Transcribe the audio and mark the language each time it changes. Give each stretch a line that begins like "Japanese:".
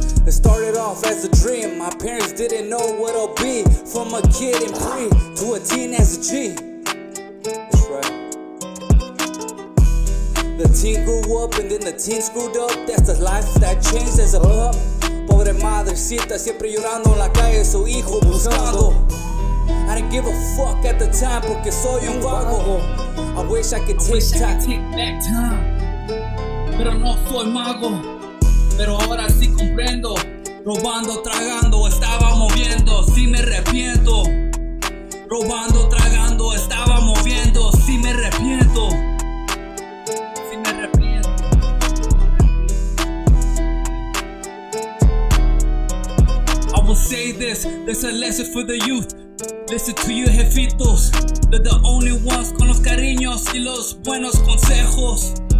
English: It started off as a dream. My parents didn't know what it'll be. From a kid in pre to a teen as a G. That's right. The teen grew up and then the teen screwed up. That's the life that changed as a pup.
Spanish: Pobre madrecita, siempre llorando en la calle, su hijo buscando.
English: I didn't give a fuck at the time
Spanish: porque soy un vago.
English: I wish I could take, I could take back time.
Spanish: Pero no soy mago. Pero ahora sí comprendo, robando, tragando, estaba moviendo, sí me arrepiento. Robando, tragando, estaba moviendo, sí me arrepiento. Sí me arrepiento.
English: I will say this, this is a lesson for the youth. Listen to you, jefitos. They're the only ones
Spanish: con los cariños y los buenos consejos.